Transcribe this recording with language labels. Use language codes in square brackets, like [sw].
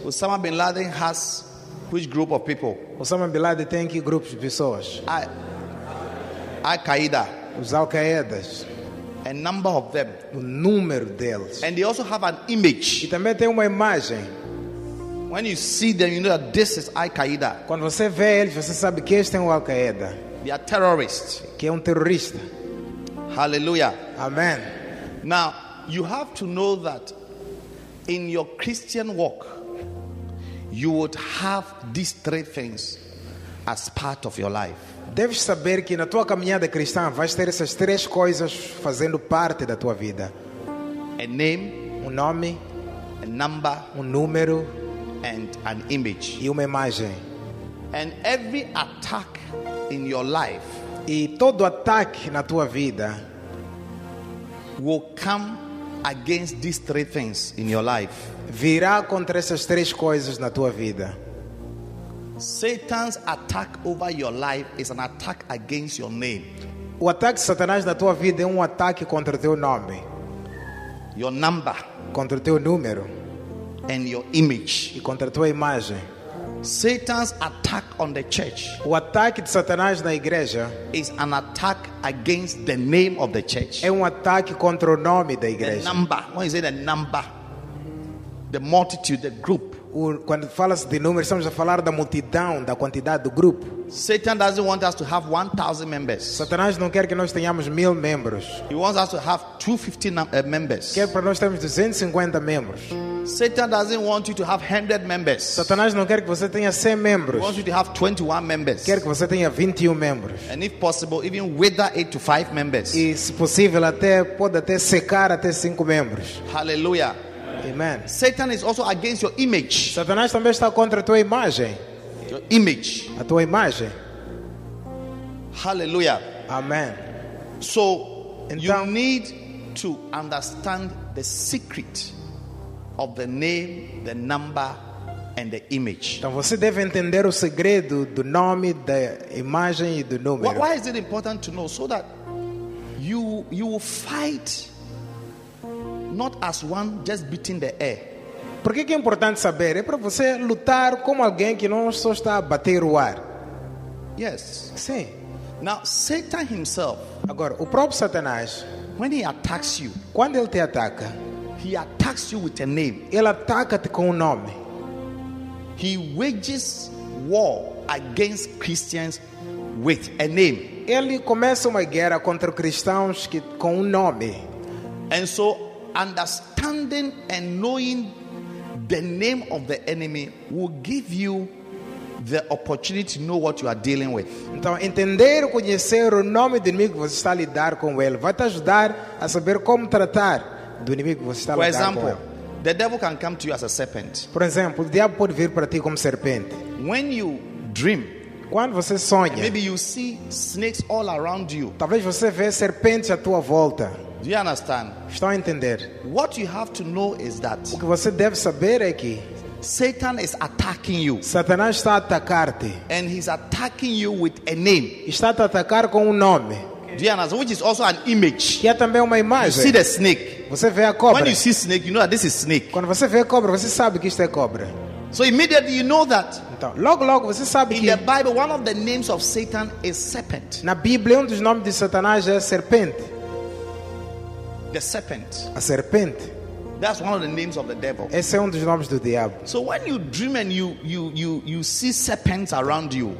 [en] Osama bin Laden has which group of people? [pt] Osama bin Laden tem que grupo de pessoas? [en] Al-Qaeda. [pt] Os Al-Qaedas. [en] A number of them. [pt] O número deles. [en] And they also have an image. [pt] E também tem uma imagem. [en] When you see them, you know that this is Al-Qaeda. [pt] Quando você vê eles, você sabe que este é o Al-Qaeda. [en] They are terrorists. [pt] Que é terrorista. [en] Hallelujah. Amen. Now, you have to know that in your Christian walk, you would have these three things as part of your life. [pt] Deves saber que na tua caminhada cristã vais ter essas três coisas fazendo parte da tua vida. [en] A name, [pt] nome, [en] a number, [pt] número, [en] and an image. [pt] E uma imagem. [en] And every attack in your life, [pt] e todo ataque na tua vida [en] will come against these three things in your life. [pt] Virá contra essas três coisas na tua vida. [en] Satan's attack over your life is an attack against your name. [pt] O ataque de Satanás na tua vida é ataque contra teu nome. [en] Your number, [pt] contra teu número. [en] And your image, [pt] e contra tua imagem. [en] Satan's attack on the church, [pt] o ataque de Satanás na igreja, [en] is an attack against the name of the church. [pt] É ataque contra o nome da igreja. [en] The number, what is it? The number, the multitude, the group. [pt] Quando falas de número, estamos a falar da multidão, da quantidade do grupo. [en] Satan doesn't want us to have 1,000 members. [pt] Satanás não quer que nós tenhamos 1,000 membros. [en] He wants us to have 250 members. [pt] Quer para nós termos 250 membros. [en] Satan doesn't want you to have 100 members. [pt] Satanás não quer que você tenha 100 membros. [en] He wants you to have 21 members. [pt] Quer que você tenha 21 membros. [en] And if possible, even wither it to 5 members. [pt] E se possível até pode até secar até 5 membros. [en] Hallelujah. Amen. Satan is also against your image. [pt] Satanás também está contra a tua imagem. [en] Your image. [pt] A tua imagem. [en] Hallelujah. Amen. So, [pt] então, [en] you need to understand the secret of the name, the number, and the image. [pt] Então você deve entender o segredo do nome, da imagem e do número. [en] Why is it important to know so that you will fight not as one just beating the air? [pt] Por que é importante saber? É para você lutar como alguém que não só está a bater o ar. [en] Yes. [pt] Sim. [en] Now Satan himself. [pt] Agora, o próprio Satanás, [en] when he attacks you, [pt] quando ele te ataca, [en] he attacks you with a name. [pt] Ele ataca-te com nome. [en] He wages war against Christians with a name. [pt] Ele começa uma guerra contra cristãos com nome. [en] And so, understanding and knowing the name of the enemy will give you the opportunity to know what you are dealing with. [pt] Então, entender e conhecer o nome do inimigo que você está a lidar com ele vai te ajudar a saber como tratar do inimigo que você está a lidar. [en] For example, [pt] com ele. [en] The devil can come to you as a serpent. [pt] Por exemplo, o diabo pode vir para ti como serpente. [en] When you dream, [pt] quando você sonha, [en] and maybe you see snakes all around you. [pt] Talvez você vê serpentes à tua volta. [en] Do you understand? [pt] Estou a entender. [en] What you have to know is that, [pt] o que você deve saber é que [en] Satan is attacking you. [pt] Satanás está a atacar-te. [en] And he's attacking you with a name. [pt] Está a atacar com nome. [en] Do you understand? Which is also an image. [pt] Que é também uma imagem. [en] You see the snake. [pt] Você vê a cobra. [en] When you see snake, you know that this is snake. [pt] Quando você vê a cobra, você sabe que isto é cobra. [en] So immediately you know that. [pt] Então, logo você sabe [en] in [pt] que [en] in the Bible one of the names of Satan is serpent. [pt] Na Bíblia um dos nomes de Satanás é serpente. [en] The serpent. [pt] A serpente. [en] That's one of the names of the devil. [pt] Esse é dos nomes do diabo. [en] So when you dream and you see serpents around you,